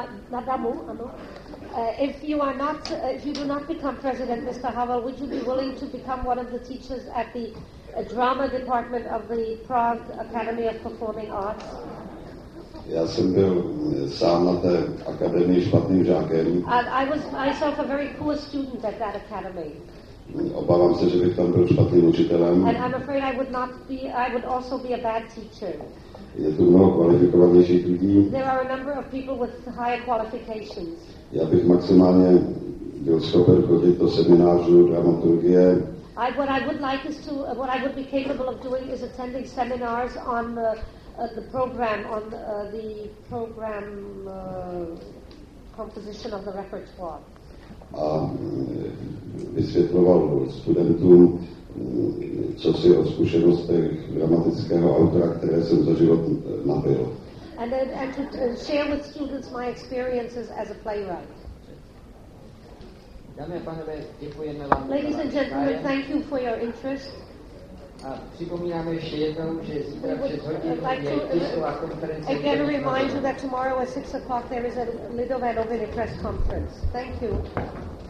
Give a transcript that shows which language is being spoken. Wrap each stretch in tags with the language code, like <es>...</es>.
<cs>Na damu, ano.</cs> <en>If you do not become president, Mr. Havel, would you be willing to become one of the teachers at the drama department of the Prague Academy of Performing Arts?</en> <cs>Já jsem byl sám na té akademii špatným žákem.</cs> <en>I was myself a very poor student at that academy.</en> <cs>Obávám se, že bych tam byl špatným učitelem.</cs> <en>And I'm afraid I would also be a bad teacher.</en> <cs>Je tu mnoho kvalifikovanějších lidí.</cs> <en>There are a number of people with higher qualifications.</en> <cs>Já bych maximálně byl schopen chodit do seminářů dramaturgie.</cs> <en>What I would be capable of doing is attending seminars on the program, on the program composition of the repertoire.</en> <cs>A vysvětloval studentům, co si o zkušenostech dramatického autora, které jsem za život nabyl.</cs> <en>And to share with students my experiences as a playwright.</en> <cs>Dámy a pánové, děkujeme vám.</cs> <en>Ladies and gentlemen, thank you for your interest.</en> <cs>A připomínáme ještě jednou, že zítra v 6 hodin je tisková konference.</cs> <en>Again, remind you that tomorrow at 6 o'clock there is a Lidové noviny press conference. Thank you.</en>